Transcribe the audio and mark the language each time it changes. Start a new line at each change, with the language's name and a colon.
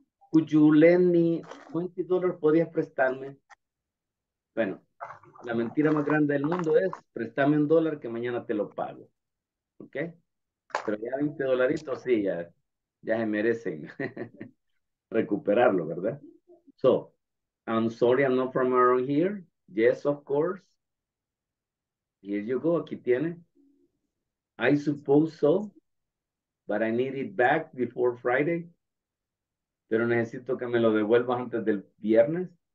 English: Could you lend me $20?
Spanish: ¿Podías prestarme? Bueno, la mentira más grande del mundo es préstame un dólar que mañana te lo pago. ¿Ok? Pero ya $20, sí, ya se merecen recuperarlo, ¿verdad?
English: So, I'm sorry I'm not from around here. Yes, of course. Here you go,
Spanish: aquí tiene.
English: I suppose so, but I need it back before Friday.
Spanish: Pero necesito que me lo devuelvas antes del viernes.